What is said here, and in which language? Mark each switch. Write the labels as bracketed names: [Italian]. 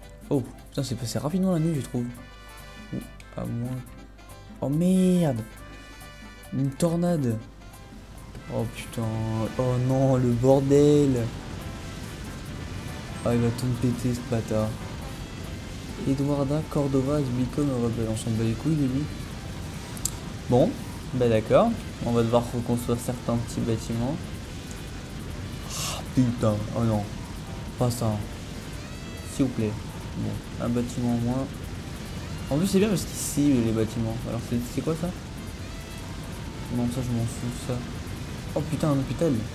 [French] Oh putain, c'est passé rapidement la nuit, je trouve. Oh, à moins. Oh merde, une tornade. Oh putain, oh non, le bordel. Ah, il va tout me péter, ce bâtard. [English] Eduarda Cordova has become a rebel. [French] On s'en bat les couilles de lui. Bon, bah d'accord, on va devoir reconstruire certains petits bâtiments. Putain, oh non, pas ça. S'il vous plaît. Bon, un bâtiment en moins. En plus, c'est bien parce qu'il cible les bâtiments. Alors, c'est quoi ça? Non, ça, je m'en fous, ça. Oh putain, un hôpital.